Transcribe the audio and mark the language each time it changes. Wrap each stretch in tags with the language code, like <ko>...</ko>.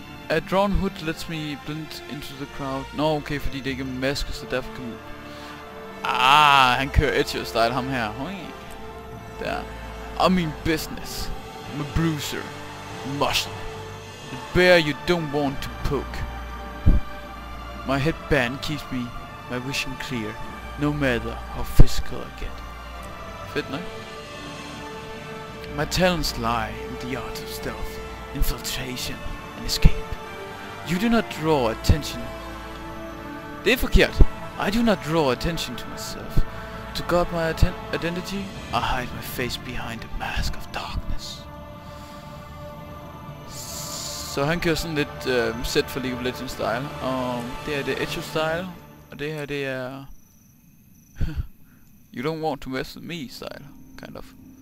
<en>A drawn hood lets me blend into the crowd.</en> <da>Nå, okay, fordi det ikke er mask, så derfor kan man... Ah, han kører etio style, ham her.</da> <en>Der. I mean business. I'm a bruiser. Muscle. The bear you don't want to poke. My headband keeps me my vision clear, no matter how physical I get.</en> <da>Fedt, nej?</da> <en>My talents lie in the art of stealth, infiltration and escape. You do not draw attention.</en> <da>Det er forkert.</da> <en>I do not draw attention to myself. To guard my identity, I hide my face behind a mask of darkness.</en> <da>Så han kører sådan lidt set for League of Legends style. Det her, det er Edge of style. Og det her, det er...</da> <en>you don't want to mess with me style, kind of.</en>